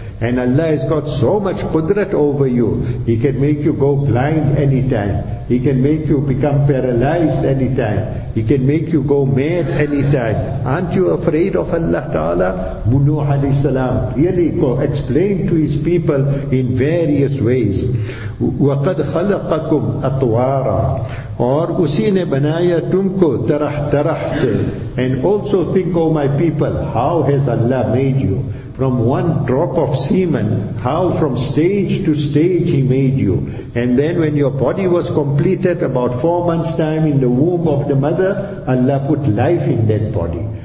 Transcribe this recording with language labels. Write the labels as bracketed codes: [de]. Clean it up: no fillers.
[en] And Allah has got so much qudrat over you. He can make you go blind anytime. He can make you become paralyzed anytime. He can make you go mad anytime. Aren't you afraid of Allah Ta'ala? Nuh alayhi salam really explained to his people in various ways. [ar] وَقَدْ خَلَقَكُمْ أَطْوَارًا. [ur] اور اسی نے بنایا تم کو طرح طرح سے. [en] And also think, O my people, how has Allah made you? From one drop of semen, how from stage to stage He made you. And then when your body was completed, about 4 months time in the womb of the mother, Allah put life in that body.